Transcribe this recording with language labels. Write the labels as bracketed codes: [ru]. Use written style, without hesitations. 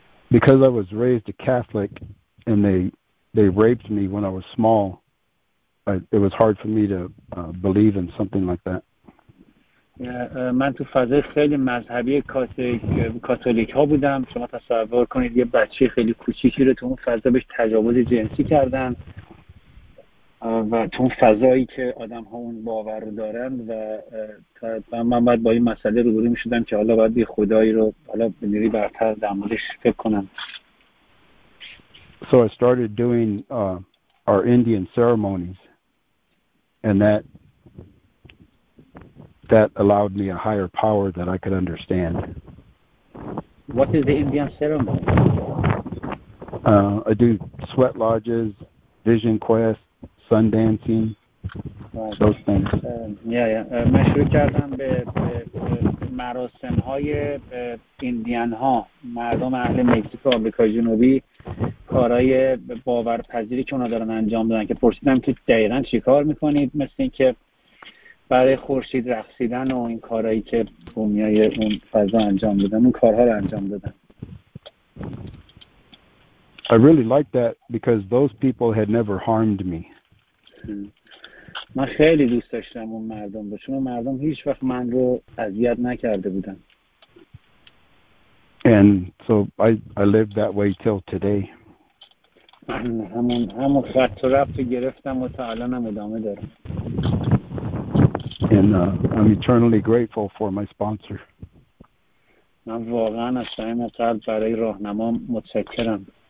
[en] Because I was raised a Catholic and they raped me when I was small, it was hard for me to believe in something like that. [fa] من تو فضای خیلی مذهبی کاتولیک ها بودم. شما تصور کنید یه بچه خیلی کوچیکی رو تو اون فضا بهش تجاوز جنسی کردن و تو اون فضایی که آدم ها اون باور رو دارن و من باید با این مسئله رو روبرو می‌شدم که حالا باید یه خدایی رو حالا به نیروی برتر در موردش فکر کنم. [en] So I started doing our Indian ceremonies and that allowed me a higher power that I could understand. What is the Indian ceremony? I do sweat lodges, vision quests, sun dancing, right. Those things. [fa] من شروع کردم به مراسم های ایندیان ها، مردم اهل مکزیک و آمریکا جنوبی، کارهای باورپذیری که اونا دارن انجام دادن که پرسیدم که دقیقاً چی کار میکنید، مثل اینکه برای خورشید رقصیدن و این کارهایی که بومیای اون فضا انجام دادن، اون کارها رو انجام دادن. [en] I really liked that because those people had never harmed me. [fa] من خیلی دوست داشتم اون مردم رو، چون مردم هیچ وقت من رو اذیت نکرده بودن. [en] And so I lived that way till today. [fa] همون خط و رفت گرفتم و تا الان هم ادامه دارم. [en] And I'm eternally grateful for my sponsor. [fa] من واقعا از صمیم قلب برای راهنمام متشکرم.